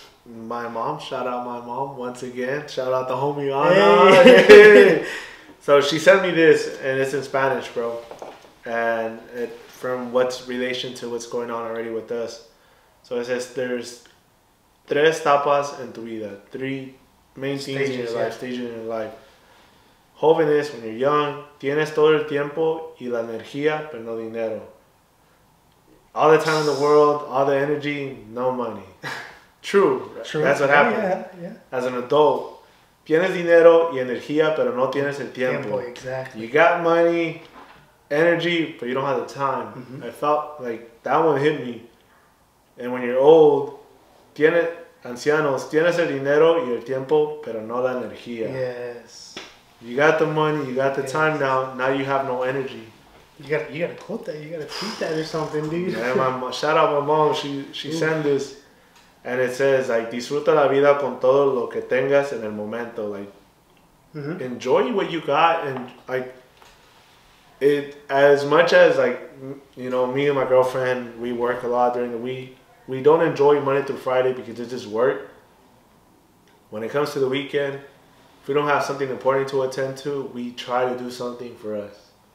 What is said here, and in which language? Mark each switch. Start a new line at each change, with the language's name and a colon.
English: My mom, shout out my mom once again. Shout out the homie Ana. Hey. So she sent me this, and it's in Spanish, bro. And it from what's relation to what's going on already with us. So it says there's
Spanish: tres tapas en tu vida,
English: three main stages in your life. Yeah. Stages in your life.
Spanish: Jóvenes,
English: when you're young,
Spanish: tienes todo el tiempo y la energía, pero no dinero.
English: All the time in the world, all the energy, no money. True. That's what happened. Yeah. As an adult,
Spanish: tienes dinero y energía, pero no tienes el tiempo.
English: Exactly. You got money, energy, but you don't have the time. Mm-hmm. I felt like that one hit me. And when you're old,
Spanish: tienes el dinero y el tiempo, pero no la energía.
English: Yes. You got the money, you got the time now you have no energy. You gotta quote that, you gotta tweet that or something, dude. Yeah, shout out my mom, she sent this. And it says, like,
Spanish: disfruta la vida con todo lo que tengas en el momento.
English: Like, mm-hmm. Enjoy what you got. And, like, it as much as, like, you know, me and my girlfriend, we work a lot during the week. We don't enjoy Monday through Friday because it's just work. When it comes to the weekend, if we don't have something important to attend to, we try to do something for us.